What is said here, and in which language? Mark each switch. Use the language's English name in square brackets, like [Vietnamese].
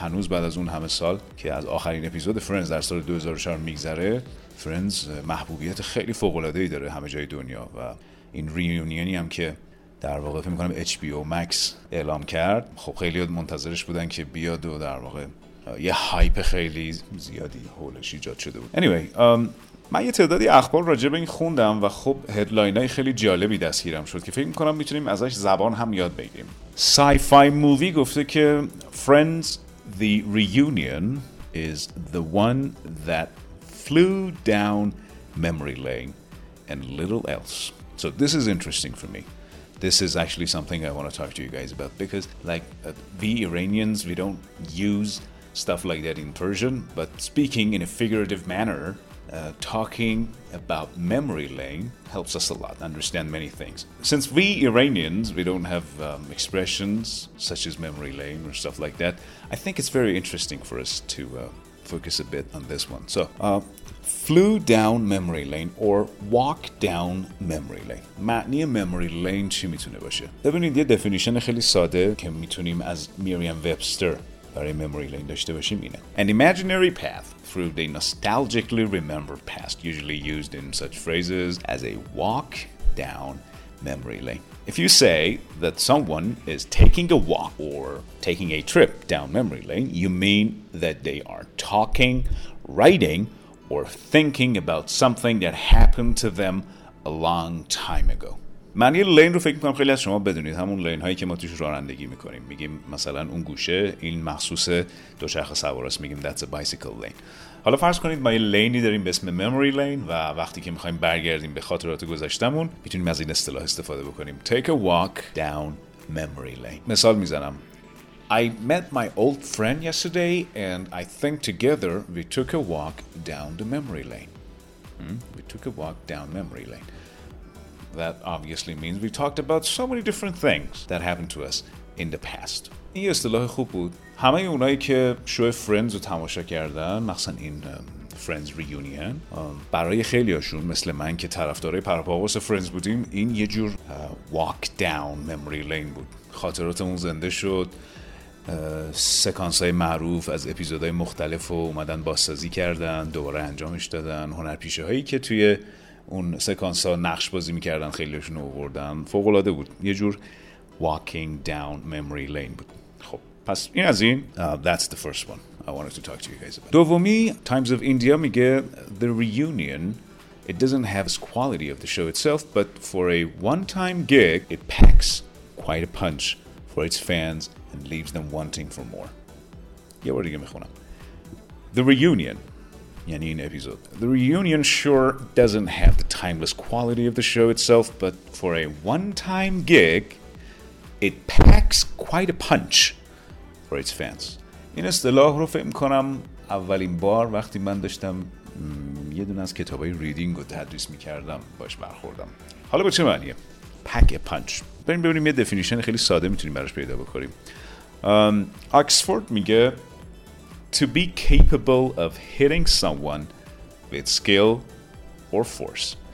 [Persian] هنوز بعد از اون همه سال که از آخرین اپیزود فرندز در سال 2004 میگذره، فرندز محبوبیت خیلی فوق العاده ای داره همه جای دنیا و این ریونیونی هم که در واقع فکر میکنم HBO Max اعلام کرد، خب خیلی ها منتظرش بودن که بیاد و در واقع یه هایپ خیلی زیادی حولش ایجاد شده بود. من یه تعدادی اخبار راجع به این خوندم و خب هدلاینای خیلی جالبی دستگیرم شد که فکر می‌کنم میتونیم ازش زبان هم یاد بگیریم. [English] Sci-Fi Movie [Persian] گفته که [English] Friends The Reunion is the one that flew down memory lane and little else. So this is interesting for me. This is actually something I want to talk to you guys about because like we Iranians, we don't use stuff like that in Persian, but speaking in a figurative manner, talking about memory lane helps us a lot understand many things. Since we Iranians, we don't have expressions such as memory lane or stuff like that, I think it's very interesting for us to focus a bit on this one. So, flew down memory lane or walk down memory lane. [Persian] معنی memory lane چی میتونه باشه؟ ببینید یه دفینیشن خیلی ساده که میتونیم از Merriam-Webster برای memory lane داشته باشیم اینه. [English] An imaginary path through the nostalgically remembered past, usually used in such phrases as a walk down memory lane. If you say that someone is taking a walk or taking a trip down memory lane, you mean that they are talking, writing, or thinking about something that happened to them a long time ago. [Persian] معنی لین رو فکر میکنم خیلی از شما بدونید، همون لین هایی که ما توش رانندگی میکنیم، میگیم مثلا اون گوشه این مخصوص دوچرخه سواراست، میگیم [English] that's a bicycle lane. [Persian] حالا فرض کنید ما یه لینی داریم به اسم memory lane و وقتی که میخوایم برگردیم به خاطرات گذشتمون میتونیم از این اصطلاح استفاده بکنیم. [English] Take a walk down memory lane. [Persian] مثال میزنم. [English] I met my old friend yesterday and I think together we took a walk down the memory lane. We took a walk down memory lane. That obviously means we talked about so many different things that happened to us in the past. [Persian] این اصطلاح خوب بود. همه اونایی که شو فرندز رو تماشا کردن، مثلا این فرندز ریونیون، برای خیلی هاشون مثل من که طرفدارای پرپاوس فرندز بودیم، این یه جور [English] walk down memory lane [Persian] بود. خاطراتمون زنده شد. سکانس های معروف از اپیزودهای مختلف رو اومدن بازسازی کردن، دوباره انجامش دادن. هنرپیشه هایی که توی اون سکانس ها نقش بازی میکردن خیلیشون آوردن. فوق العاده بود، یه جور [English] walking down memory lane [Persian] بود. خب پس این از این. [English] That's the first one I wanted to talk to you guys about. [Persian] دومی [English] Times of India [Persian] میگه [English] The reunion, it doesn't have its quality of the show itself, but for a one-time gig it packs quite a punch for its fans and leaves them wanting for more. [Persian] یه بار دیگه میخونم. The Reunion, یعنی این اپیزود. [English] The Reunion sure doesn't have the timeless quality of the show itself, but for a one-time gig, it packs quite a punch for its fans. [Persian] این اصطلاح رو فهم کنم اولین بار وقتی من داشتم یه دونه از کتابای ریدینگ رو تدریس میکردم باش برخوردم. حالا با چه معنیه؟ [English] Pack a punch. [Persian] بریم ببینیم یه دفینیشن خیلی ساده میتونیم براش پیدا بکنیم. [English] Oxford [Persian] میگه [English] To be capable of hitting someone with skill or force.